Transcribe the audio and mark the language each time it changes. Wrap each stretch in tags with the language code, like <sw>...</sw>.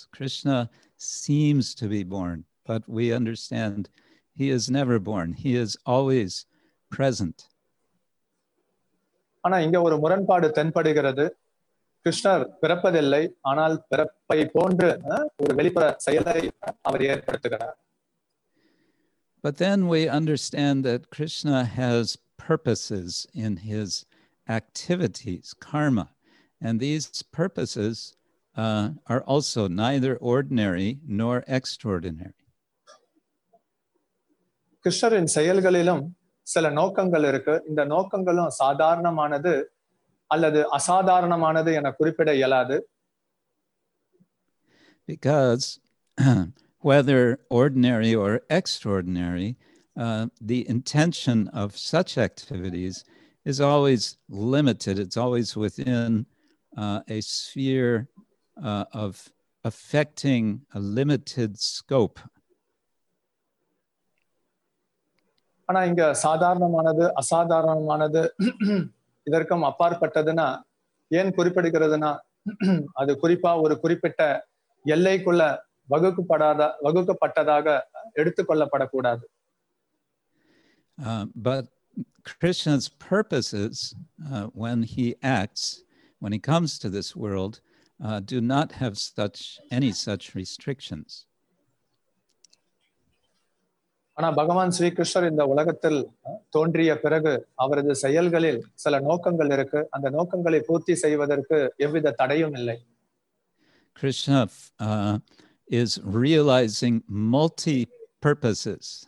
<en>Krishna seems to be born, but we understand he is never born. He is always present.</en> <ta>ஆனா இங்க ஒரு முரண்பாடு தென்படுகிறது. கிருஷ்ணர் பிறப்பதில்லை, ஆனால் பிறப்பை போன்று ஒரு வெளிப்புற செயலை அவர் ஏற்படுத்துகிறார்.</ta> <en>But then we understand that Krishna has purposes in his activities, karma. And these purposes are also neither ordinary nor extraordinary.</en> <ta>கிருஷ்ணரின் செயல்களிலும் சில நோக்கங்கள் இருக்கு. இந்த நோக்கங்களும் சாதாரணமானது அல்லது அசாதாரணமானது என குறிப்பிட இயலாது.</ta> <en>Because whether ordinary or extraordinary, the intention of such activities is always limited. It's always within a sphere of affecting a limited scope.</en> <ta>ஆனா இங்க சாதாரணமானது அசாதாரணமானது இதற்கும் அப்பாற்பட்டதுன்னா ஏன் குறிப்பிடுகிறதுனா அது குறிப்பா ஒரு குறிப்பிட்ட எல்லைக்குள்ள வகுக்கப்பட்டதாக எடுத்துக்கொள்ளப்படக்கூடாது.</ta> <en>But Krishna's purpose is when he acts, when he comes to this world, do not have any such restrictions.</en> <ta>ஆனா பகவான் ஸ்ரீ கிருஷ்ணர் இந்த உலகத்தில் தோன்றிய பிறகு அவரது செயல்களில் சில நோக்கங்கள் இருக்கு. அந்த நோக்கங்களை பூர்த்தி செய்வதற்கு எவ்வித தடையும் இல்லை.</ta> <en>Krishna is realizing multi purposes.</en>